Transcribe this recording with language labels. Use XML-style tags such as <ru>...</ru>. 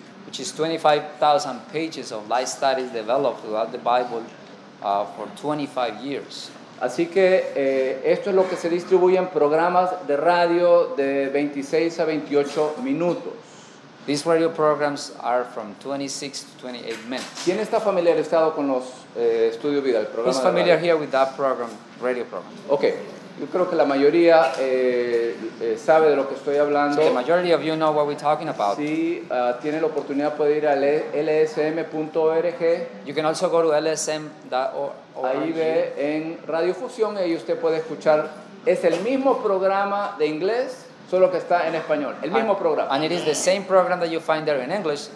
<en>Which is 25,000 pages of life studies developed throughout the Bible for 25 years.</en> <es>Así que esto es lo que se distribuye en programas de radio de 26 a 28 minutos.</es> <en>These radio programs are from 26 to 28 minutes.</en> <es>¿Quién está familiarizado con los Estudio Vida, el programa?</es> <en>Who's familiar here with that program, radio program? Okay.</en> <es>Yo creo que la mayoría sabe de lo que estoy hablando.</es> <en>So the majority of you know what we're talking about.</en> <es>Si tiene la oportunidad, puede ir a lsm.org.</es> <en>You can also go to lsm.org.</en> <es>Ahí ve en Radio Fusión y usted puede escuchar. Es el mismo programa de inglés, solo que está en español. El mismo programa.</es> <en>And it is the same program that you find there in English.</en>